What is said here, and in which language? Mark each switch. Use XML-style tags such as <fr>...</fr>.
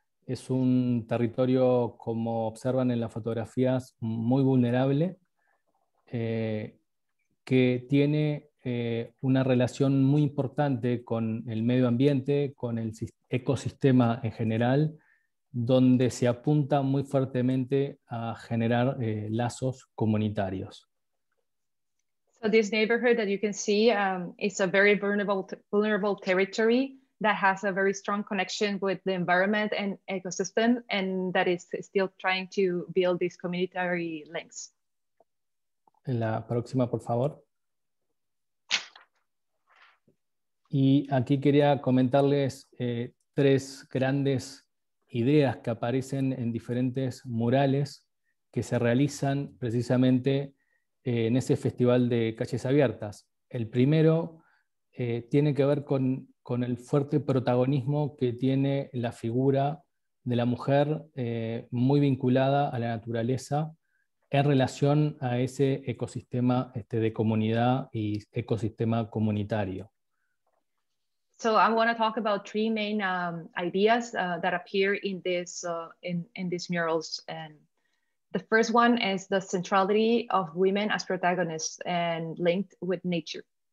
<es>Es un territorio, como observan en las fotografías, muy vulnerable, que tiene una relación muy importante con el medio ambiente, con el ecosistema en general, donde se apunta muy fuertemente a generar lazos comunitarios.</es> <en>So this neighborhood that you can see is a very vulnerable territory that has a very strong connection with the environment and ecosystem, and that is still trying to build these community links.</en> <es>La próxima, por favor. Y aquí quería comentarles tres grandes ideas que aparecen en diferentes murales que se realizan precisamente en ese festival de calles abiertas. El primero tiene que ver con el fuerte protagonismo que tiene la figura de la mujer muy vinculada a la naturaleza en relación a ese ecosistema de comunidad y ecosistema comunitario.</es> <en>So I want to talk about three main ideas that appear in this in these murals. And the first one is the centrality of women as protagonists and linked with nature.</en>